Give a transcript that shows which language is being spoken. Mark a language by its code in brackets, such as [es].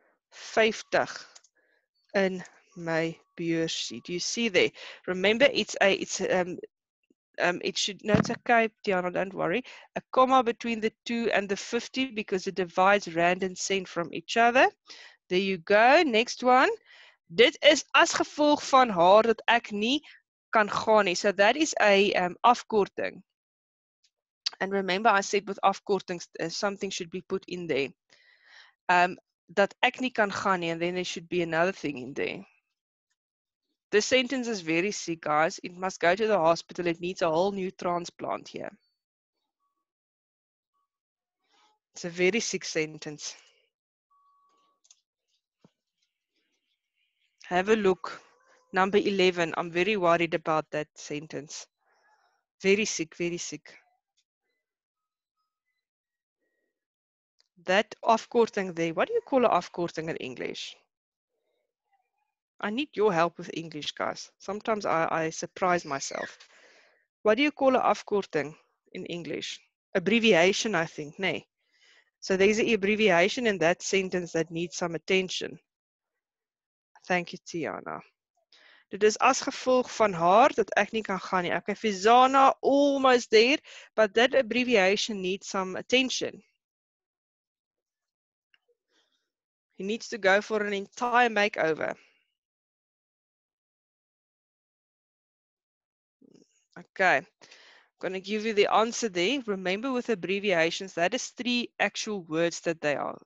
[en] 50 in my beursie. Do you see there? Remember, it's okay, Tiana, don't worry. A comma between the 2 and the 50, because it divides rand and cent from each other. There you go. Next one. [af] Dit is as gevolg van haar dat ek nie kan gaan nie. [en] So that is a afkorting. And remember, I said with afkortings, something should be put in there. [af] Dat ek nie kan gaan nie, [en] and then there should be another thing in there. The sentence is very sick, guys. It must go to the hospital. It needs a whole new transplant here. It's a very sick sentence. Have a look. Number 11. I'm very worried about that sentence. Very sick, very sick. That afkorting there, what do you call an afkorting in English? I need your help with English, guys. Sometimes I surprise myself. What do you call an afkorting in English? Abbreviation, I think. Nee. So there's an abbreviation in that sentence that needs some attention. Thank you, Tiana. [af] Dit is as gevolg van haar dat ek nie kan gaan nie. [en] Okay, Fizana, almost there, but that abbreviation needs some attention. He needs to go for an entire makeover. Okay. I'm going to give you the answer there. Remember, with abbreviations, that is three actual words that they are.